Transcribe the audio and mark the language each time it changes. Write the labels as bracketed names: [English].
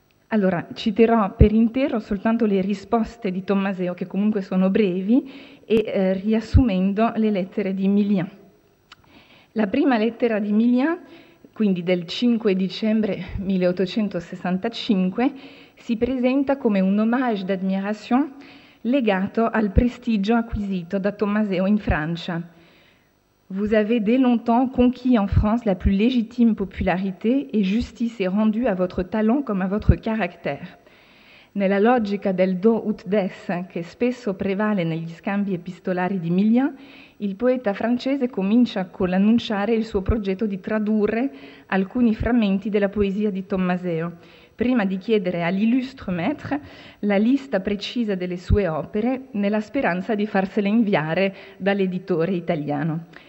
[Italian] Allora, citerò per intero soltanto le risposte di Tommaseo, che comunque sono brevi, e riassumendo le lettere di Millien. La prima lettera di Millien, quindi del 5 dicembre 1865, si presenta come un [French] hommage d'admiration [Italian] legato al prestigio acquisito da Tommaseo in Francia. [French] Vous avez dès longtemps conquis en France la plus légitime popularité et justice est rendue à votre talent comme à votre caractère. [Italian] Nella logica del do ut des, che spesso prevale negli scambi epistolari di Millien, il poeta francese comincia con l'annunciare il suo progetto di tradurre alcuni frammenti della poesia di Tommaseo, prima di chiedere all'illustre maître la lista precisa delle sue opere, nella speranza di farsele inviare dall'editore italiano.